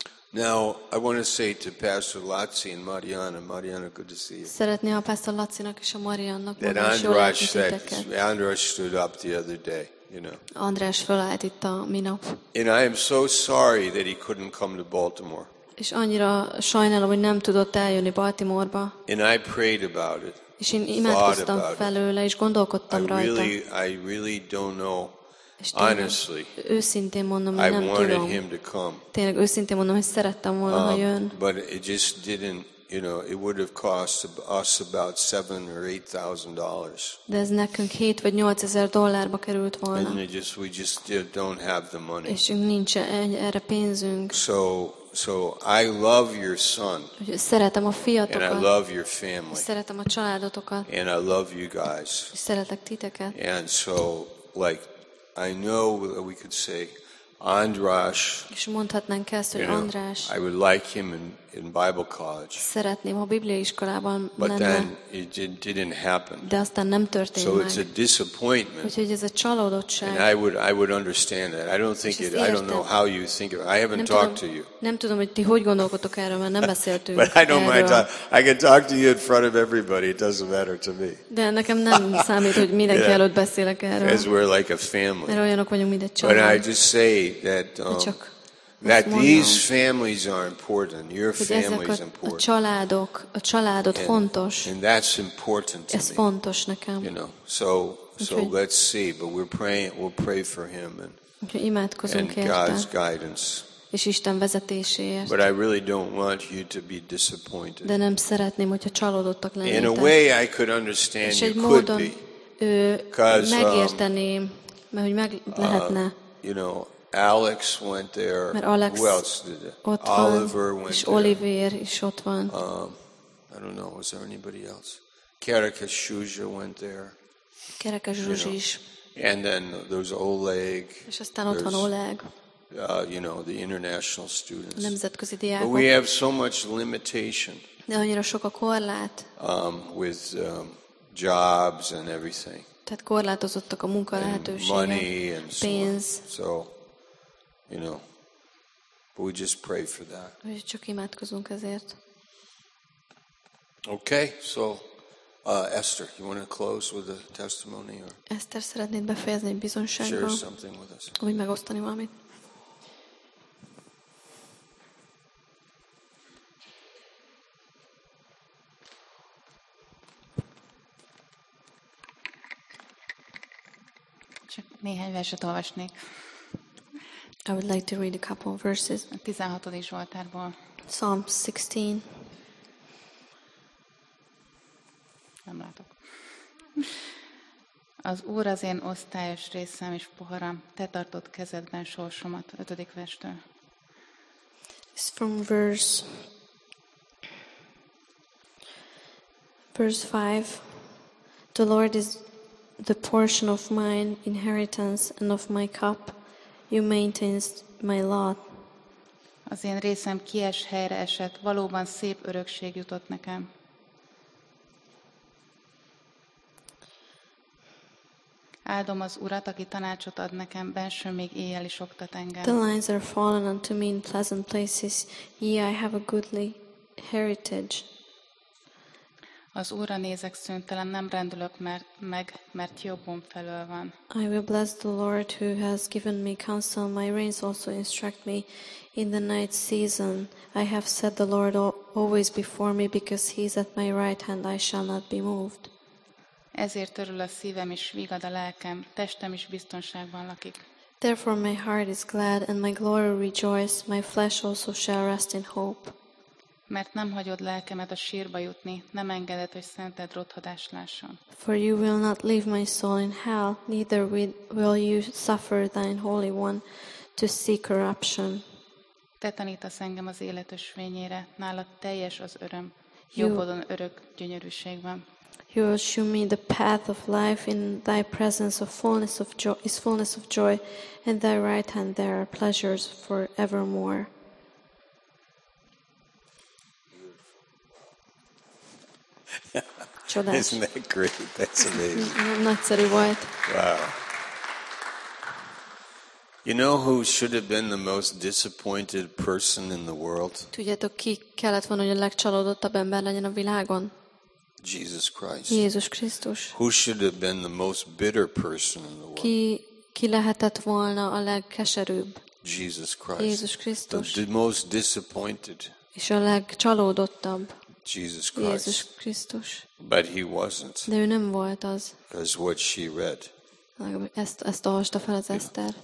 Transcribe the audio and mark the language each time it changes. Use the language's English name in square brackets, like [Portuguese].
[English] Now I want to say to Pastor Laci and Mariana. Mariana, good to see you. [Hungarian] Szeretném a Pastor Lacinak és a Mariannak mondani. [English] Andras stood up the other day. [Hungarian] András fölállt itt a minap. [English] And I am so sorry that he couldn't come to Baltimore. [Hungarian] És annyira sajnálom, hogy nem tudott eljönni Baltimoreba. [English] And I prayed about it. [Hungarian] És én imádkoztam felőle, és gondolkodtam rajta. [English] I really don't know. Honestly. [Hungarian] Őszintén mondom, hogy nem tudom. [English] I wanted him to come. [Hungarian] Tényleg őszintén mondom, hogy szerettem volna, ha jön. [English] But it just didn't. It would have cost us about $7,000 or $8,000. [Hungarian] De ez nekünk 7 vagy 8000 dollárba került volna. [English] And we just don't have the money. [Hungarian] És nincs erre pénzünk. [English] So I love your son. [Hungarian] Szeretem a fiatokat. [English] And I love your family. [Hungarian] Szeretem a családotokat. [English] And I love you guys. [Hungarian] Szeretlek titeket. [English] And so I know that we could say András. [Hungarian] És mondhatnánk ezt, hogy András. [English] I would like him in Bible college. [Hungarian] Szeretném, ha bibliaiskolában lenne. [English] But then it didn't happen. [Hungarian] De aztán nem történt meg. [English] So it's a disappointment. [Hungarian] Úgyhogy ez a csalódottság. [English] And I would understand that. I don't think it. I don't know how you think of it. I haven't talked to you. [Hungarian] Nem tudom, hogy ti hogy gondolkodtok erről, mert nem beszéltünk. [English] But I don't mind. I can talk to you in front of everybody. It doesn't matter to me. [Hungarian] De nekem nem számít, hogy mindenki előtt beszélek erről. [English] As we're like a family. [Hungarian] Mert olyanok vagyunk, mint egy család. [English] But I just say that. That these families are important. Your family is important. [Hungarian] A családod fontos. [English] And that's important to me. [Hungarian] Ez fontos nekem. [English] So let's see. But we'll pray for him and [Hungarian] imádkozunk érte. [English] God's guidance. [Hungarian] És Isten vezetéséért. [English] But I really don't want you to be disappointed. [Hungarian] De nem szeretném, hogyha csalódottak lennétek. [English] In a way, I could understand you could be. [Hungarian] Megérteném, mert hogy meg lehetne. [English] Alex went there. Alex, who else did it? Oliver went there. Oliver [Hungarian] is ott van. [English] I don't know. Was there anybody else? Kerekes Zsuzsa went there. [Hungarian] Kerekes Zsuzsa is. [English] And then there's Oleg. [Hungarian] És aztán ott van Oleg. [English] The international students. [Hungarian] Nemzetközi diákok. [English] But we have so much limitation. [Hungarian] De annyira sok a korlát. [English] With jobs and everything. [Hungarian] Tehát korlátozottak a munka lehetőségek. [English] Money and so. [Hungarian] Pénz. [English] So. But we just pray for that. [Hungarian] Csak imádkozunk ezért. [English] Okay, so Esther, you want to close with a testimony or? [Hungarian] Esther, szeretnéd befejezni egy bizonysággal? [English] Share something with us. [Hungarian] Vagy megosztani valamit? Csak néhány verset olvasnék. [English] I would like to read a couple of verses. [Hungarian] 16. Zsoltárból. [English] Psalm 16. [Hungarian] Nem látok. Az Úr az én osztályos részem és poharam, te tartod kezedben sorsomat. 5. verstől. [English] It's from verse 5. The Lord is the portion of mine inheritance and of my cup. You maintains my lot. [Hungarian] Az én részem kies helyre esett, valóban szép örökség jutott nekem. Áldom az Urat, aki tanácsot ad nekem, benső még éjjel is oktat engem. [English] The lines are fallen unto me in pleasant places. Yea, I have a goodly heritage. [Hungarian] Az Úrra nézek szüntelen, nem rendülök meg, mert jobbom felől van. [English] I will bless the Lord who has given me counsel. My reins also instruct me in the night season. I have set the Lord always before me because he is at my right hand. I shall not be moved. [Hungarian] Ezért örül a szívem és vigad a lelkem. Testem is biztonságban lakik. [English] Therefore my heart is glad and my glory rejoice. My flesh also shall rest in hope. [Hungarian] Mert nem hagyod lelkemet a sírba jutni, nem engeded, hogy szented rothadást lásson. [English] For you will not leave my soul in hell, neither will you suffer thine holy one to see corruption. [Hungarian] Te tanítasz engem az élet ösvényére, nálad teljes az öröm, jobbodon örök gyönyörűségben. [English] You will show me the path of life in thy presence of fullness of joy, is fullness of joy, and thy right hand there are pleasures forevermore. Isn't that great? That's amazing. Not very white. Wow. You know who should have been the most disappointed person in the world? [Hungarian] Tudjátok, ki kellett volna, hogy a legcsalódottabb ember legyen a világon? [English] Jesus Christ. [Hungarian] Jézus Krisztus. [English] Who should have been the most bitter person in the world? [Hungarian] Ki lehetett volna a legkeserűbb? [English] Jesus Christ. [Hungarian] Jézus Krisztus. [English] The most disappointed. [Hungarian] És a legcsalódottabb. [English] Jesus Christ. [Hungarian] Jézus Krisztus. [English] But he wasn't. [Hungarian] De ő nem volt az. [English] Because what she read. [Hungarian] Ezt olvasta fel az Eszter.